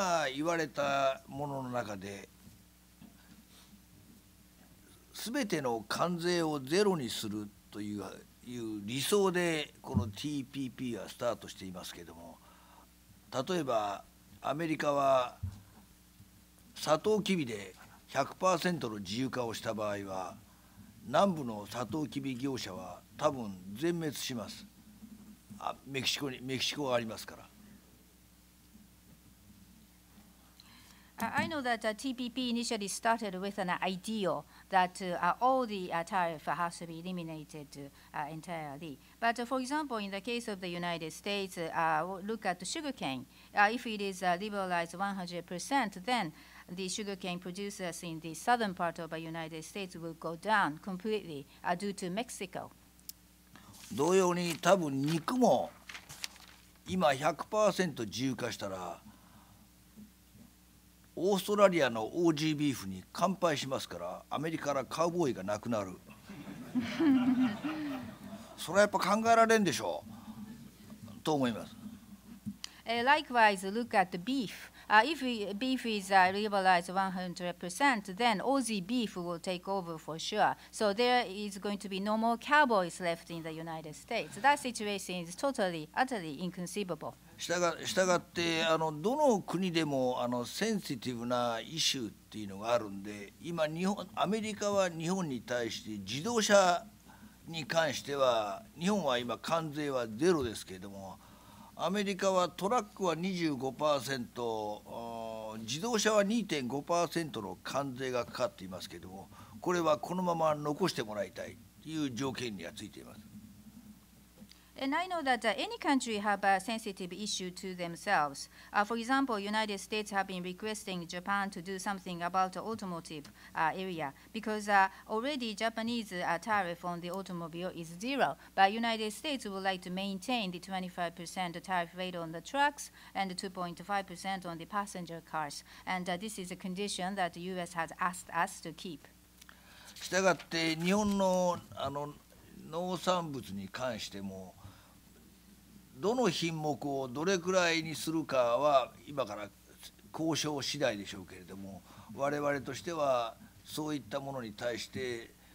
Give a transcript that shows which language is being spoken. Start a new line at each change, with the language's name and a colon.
Japanese: ああ、今言われたものの中で全ての関税をゼロにするという理想でこの TPP はスタートしていますけれども、例えばアメリカはサトウキビで 100% の自由化をした場合は、南部のサトウキビ業者は多分全滅します。あ、メキシコに、メキシコがありますから。
English: I know that TPP initially started with an ideal that all the tariff has to be eliminated entirely. But for example, in the case of the United States, look at sugarcane. If it is liberalized 100%, then the sugarcane producers in the southern part of the United States will go down completely due to Mexico.
Japanese: 同様に多分肉も今 100% 自由化したらオーストラリアの OG ビーフに乾杯しますから、アメリカからカウボーイがなくなる。それはやっぱ考えられんでしょう。と思います。
English: Likewise, look at the beef. If beef is liberalized 100%, then OG beef will take over for sure. So there is going to be no more cowboys left in the United States. That situation is totally, utterly inconceivable.
Japanese: したがってどの国でもセンシティブなイシューっていうのがあるんで、今日本アメリカは日本に対して自動車に関しては日本は今関税はゼロですけれども、アメリカはトラックは 25%、 自動車は 2.5% の関税がかかっていますけれども、これはこのまま残してもらいたいという条件にはついています。
English: And I know that any country have a sensitive issue to themselves. For example, United States have been requesting Japan to do something about the automotive area because already Japanese tariff on the automobile is zero. But United States would like to maintain the 25% tariff rate on the trucks and 2.5% on the passenger cars. And this is a condition that the U.S. has asked us to keep.
Japanese: したがって日本の農産物に関してもどの品目をどれくらいにするかは今から交渉次第でしょうけれども、我々としてはそういったものに対して